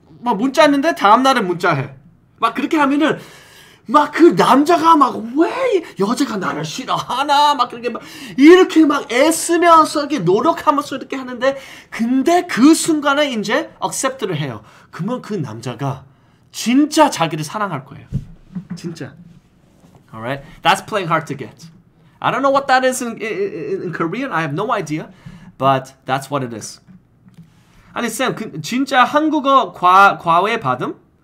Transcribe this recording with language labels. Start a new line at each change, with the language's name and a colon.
Korean: 막 문자 했는데 다음 날은 문자 해. 막 그렇게 하면은 막 그 남자가 막 왜 여자가 나를 싫어하나 막 그렇게 막 이렇게 막 애쓰면서 이렇게 노력하면서 이렇게 하는데 근데 그 순간에 이제 accept를 해요. 그러면 그 남자가 진짜 자기를 사랑할 거예요. 진짜.
English: Alright, that's playing hard to get. I don't know what that is in Korean. I have no idea, but that's what it is.
Korean: 아니 쌤, 그 진짜 한국어 과외 받음?